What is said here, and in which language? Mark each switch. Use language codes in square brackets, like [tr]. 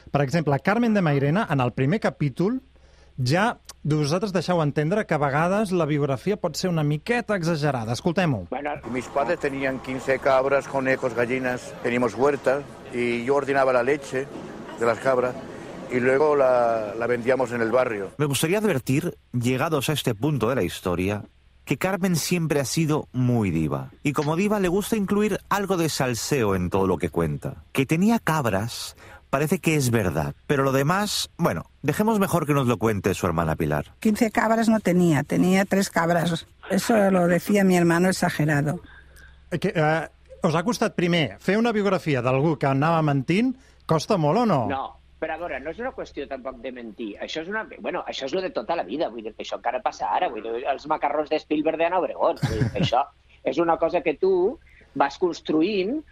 [ca] Per exemple, Carmen de Mairena, en el primer capítol, ja vosaltres deixeu entendre que a vegades la biografia pot ser una miqueta exagerada. Escoltem-ho. [es] Bueno, mis padres tenían 15 cabras, conejos, gallinas, teníamos huerta, y yo ordenaba la leche de las cabras y luego la vendíamos en el barrio. Me gustaría advertir, llegados a este punto de la historia, que Carmen siempre ha sido muy diva. Y como diva le gusta incluir algo de salseo en todo lo que cuenta. Que tenía cabras parece que es verdad. Pero lo demás, bueno, dejemos mejor que nos lo cuente su hermana Pilar. 15 cabras no tenía, tenía 3 cabras. Eso lo decía mi hermano exagerado. [ca] Que, ¿os ha costat primer fer una biografia d'algú que anava mentint? ¿Costa molt o no? No. Però a veure, no és una qüestió tampoc de mentir. Això és una... Bueno, això és el de tota la vida, vull dir, això encara passa ara, vull dir, els macarrons de Spielberg de Ana Obregón. Això és una cosa que tu vas construint...